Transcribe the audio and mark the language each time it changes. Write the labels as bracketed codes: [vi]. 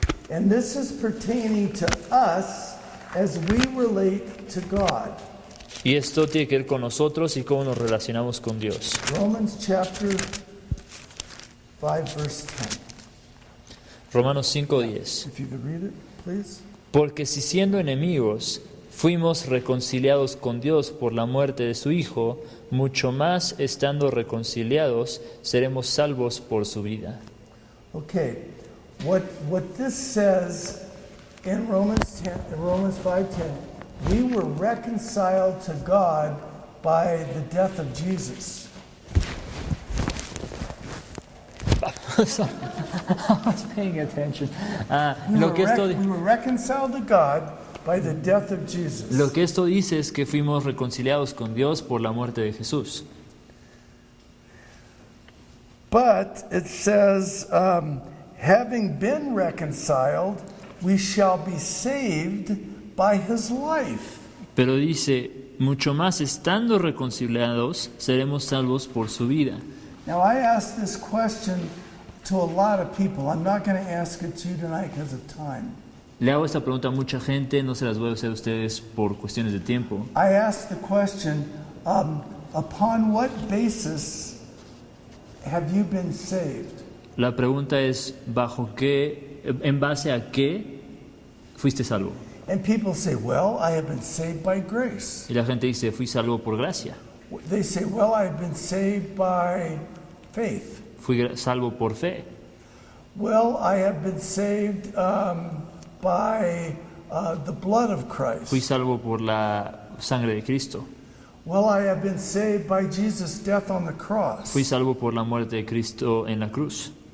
[en] And this is pertaining to us as we relate to God. [es] Y esto tiene que ver con nosotros y cómo nos relacionamos con Dios. [en] Romans chapter 5, verse 10. [es] Romanos 5, 10. [en] If you could read it, please. [es] Porque si siendo enemigos fuimos reconciliados con Dios por la muerte de su Hijo, mucho más estando reconciliados, seremos salvos por su vida. [en] Okay, what this says in Romans 5:10, we were reconciled to God by the death of Jesus. Sorry, I was paying attention. We were reconciled to God by the death of Jesus. [es] Lo que esto dice es que fuimos reconciliados con Dios por la muerte de Jesús. [en] But it says, having been reconciled, we shall be saved by his life. [es] Pero dice, mucho más estando reconciliados, seremos salvos por su vida. [en] Now I asked this question to a lot of people. I'm not going to ask it to you tonight because of time. [es] Le hago esta pregunta a mucha gente, no se las voy a hacer a ustedes por cuestiones de tiempo. [en] I asked the question, upon what basis have you been saved? [es] La pregunta es, ¿bajo qué, en base a qué fuiste salvo? [en] And people say, well, I have been saved by grace. [es] Y la gente dice, fui salvo por gracia. [en] They say, well, I have been saved by faith. [es] Fui salvo por fe. [en] Well, I have been saved by the blood of Christ. [es] Fui salvo por la sangre de Cristo. [en] Well, I have been saved by Jesus' death on the cross. [es] Fui salvo por la muerte de Cristo en la cruz.